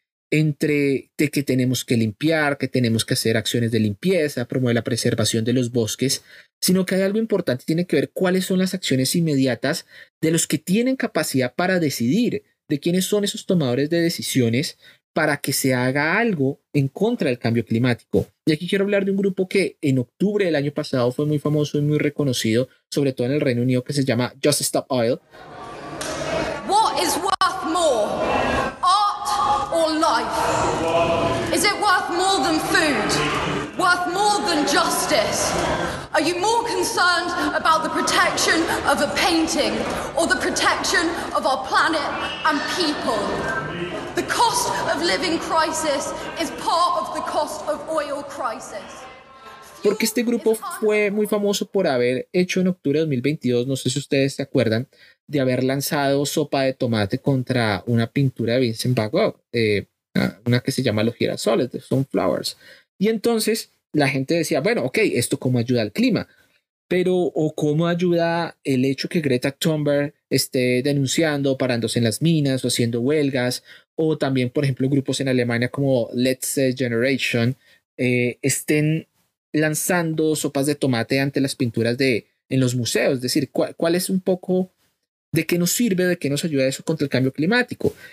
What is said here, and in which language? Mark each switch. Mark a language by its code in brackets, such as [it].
[es] entre de que tenemos que limpiar, que tenemos que hacer acciones de limpieza, promover la preservación de los bosques, sino que hay algo importante, tiene que ver cuáles son las acciones inmediatas de los que tienen capacidad para decidir, de quiénes son esos tomadores de decisiones para que se haga algo en contra del cambio climático. Y aquí quiero hablar de un grupo que en octubre del año pasado fue muy famoso y muy reconocido, sobre todo en el Reino Unido, que se llama Just Stop Oil. [en] What is worth more, art or life? Is it worth more than food? Worth more than justice? Are you more concerned about the protection of a painting or the protection of our planet and people? The cost of living crisis is part of the cost of oil crisis. [es] Porque este grupo fue muy famoso por haber hecho en octubre de 2022, no sé si ustedes se acuerdan, de haber lanzado sopa de tomate contra una pintura de Vincent Van Gogh, una que se llama Los girasoles, de Sunflowers. Y entonces la gente decía, bueno, ok, esto cómo ayuda al clima, pero o cómo ayuda el hecho que Greta Thunberg esté denunciando, parándose en las minas o haciendo huelgas, o también, por ejemplo, grupos en Alemania como Let's Generation estén lanzando sopas de tomate ante las pinturas en los museos. Es decir, ¿cuál es un poco de qué nos sirve, de qué nos ayuda eso contra el cambio climático?